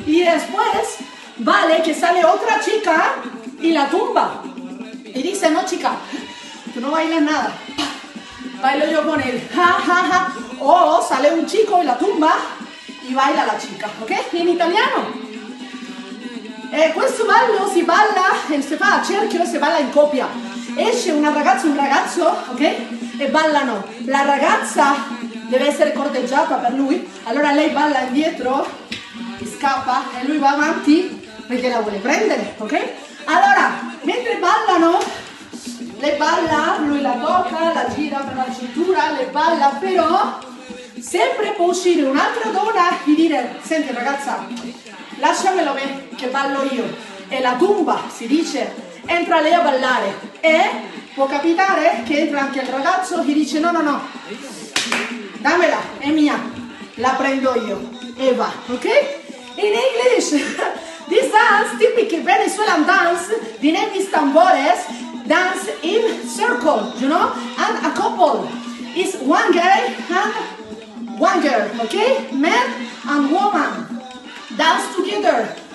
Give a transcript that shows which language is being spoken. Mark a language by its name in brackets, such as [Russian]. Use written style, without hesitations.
[Spanish] Y después, vale, que sale otra chica y la tumba. Y dice, no chica, tú no bailas nada. Bailo yo con él, ja, ja, ja. O sale un chico y la tumba y baila la chica, ¿ok? Y en italiano. [Italian] Questo ballo si balla, si fa a cerchio, si balla in coppia. Esce una ragazza, un ragazzo, ok? E ballano. La ragazza deve essere corteggiata per lui, allora lei balla indietro, scappa e lui va avanti perché la vuole prendere, ok? Allora, mentre ballano, lei balla, lui la tocca, la gira per la cintura, le balla, però sempre può uscire un'altra donna e dire, senti ragazza, lasciamelo me, che ballo io. E la tumba, si dice, entra lei a ballare. E può capitare che entra anche il ragazzo e dice, no, no, no, dammela, è mia, la prendo io. E va, ok? [English] In English, this dance, typic Venezuelan dance, the name is tambores, dance in circle, you know? And a couple, is one guy and one girl, ok? Man and woman. Dance together.